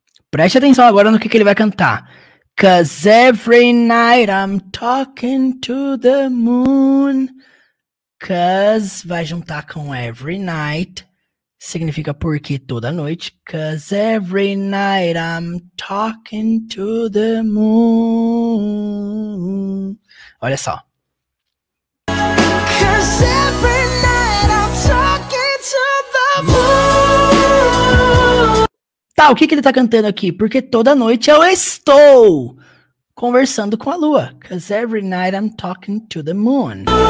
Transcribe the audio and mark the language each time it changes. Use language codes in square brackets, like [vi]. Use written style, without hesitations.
[pt] Preste atenção agora no que ele vai cantar. [en] 'Cause every night I'm talking to the moon. [pt] 'Cause vai juntar com [en] every night. [pt] Significa porque toda noite. [en] 'Cause every night I'm talking to the moon. [pt] Olha só. [en] 'Cause every night I'm talking to the moon. [pt] Tá, o que que ele tá cantando aqui? Porque toda noite eu estou conversando com a lua. [en] 'Cause every night I'm talking to the moon.